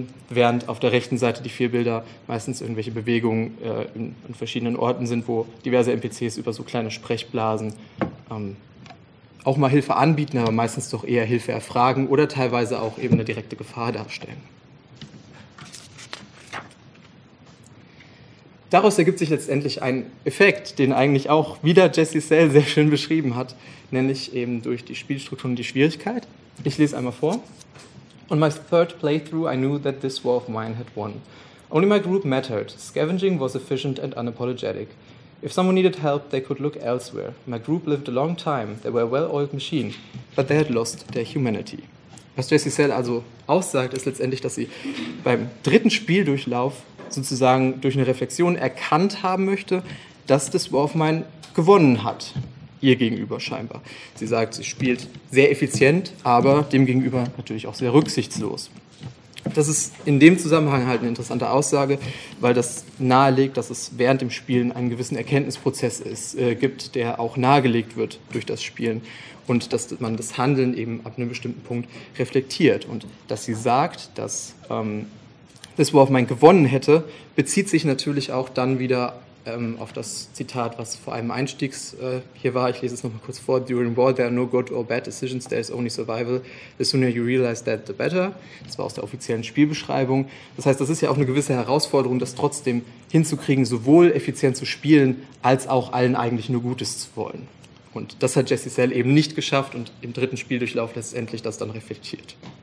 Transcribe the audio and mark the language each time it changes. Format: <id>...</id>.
<de>Während auf der rechten Seite die vier Bilder meistens irgendwelche Bewegungen in verschiedenen Orten sind, wo diverse NPCs über so kleine Sprechblasen auch mal Hilfe anbieten, aber meistens doch eher Hilfe erfragen oder teilweise auch eben eine direkte Gefahr darstellen. Daraus ergibt sich letztendlich ein Effekt, den eigentlich auch wieder Jesse Sell sehr schön beschrieben hat, nämlich eben durch die Spielstruktur und die Schwierigkeit. Ich lese einmal vor.</de> <en>On my third playthrough, I knew that this war of mine had won. Only my group mattered. Scavenging was efficient and unapologetic. If someone needed help, they could look elsewhere. My group lived a long time. They were a well-oiled machine, but they had lost their humanity.</en> <de>Was Jesse Sell also aussagt, ist letztendlich, dass sie beim dritten Spieldurchlauf sozusagen durch eine Reflexion erkannt haben möchte, dass das War of Mine gewonnen hat, ihr gegenüber scheinbar. Sie sagt, sie spielt sehr effizient, aber demgegenüber natürlich auch sehr rücksichtslos. Das ist in dem Zusammenhang halt eine interessante Aussage, weil das nahelegt, dass es während dem Spielen einen gewissen Erkenntnisprozess gibt, der auch nahegelegt wird durch das Spielen und dass man das Handeln eben ab einem bestimmten Punkt reflektiert. Und dass sie sagt, dass das, worauf man gewonnen hätte, bezieht sich natürlich auch dann wieder auf das Zitat, was vor einem Einstiegs hier war. Ich lese es nochmal kurz vor.</de> <en>During war there are no good or bad decisions, there is only survival. The sooner you realize that, the better.</en> <de>Das war aus der offiziellen Spielbeschreibung. Das heißt, das ist ja auch eine gewisse Herausforderung, das trotzdem hinzukriegen, sowohl effizient zu spielen, als auch allen eigentlich nur Gutes zu wollen. Und das hat Jesse Sell eben nicht geschafft und im dritten Spieldurchlauf letztendlich das dann reflektiert.</de>